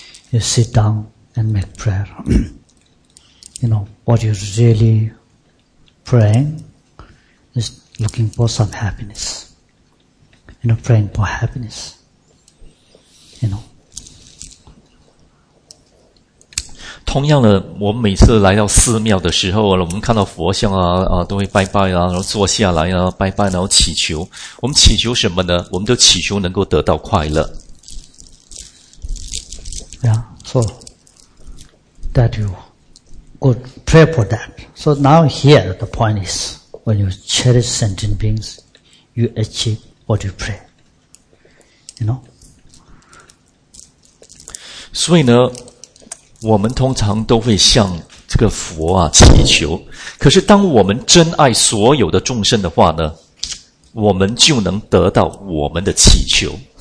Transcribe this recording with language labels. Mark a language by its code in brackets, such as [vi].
[en] You sit down and make prayer. You know, what you're really praying is looking for some happiness, you know, praying for happiness, you know. [zh] 同样的，我们每次来到寺庙的时候，我们看到佛像啊，都会拜拜啊，然后坐下来啊，拜拜，然后祈求。我们祈求什么呢？我们都祈求能够得到快乐。 [en] Yeah, so that you could pray for that. So now here the point is, when you cherish sentient beings, you achieve what you pray. You know. [zh] 所以呢，我们通常都会向这个佛啊祈求。可是当我们真爱所有的众生的话呢，我们就能得到我们的祈求。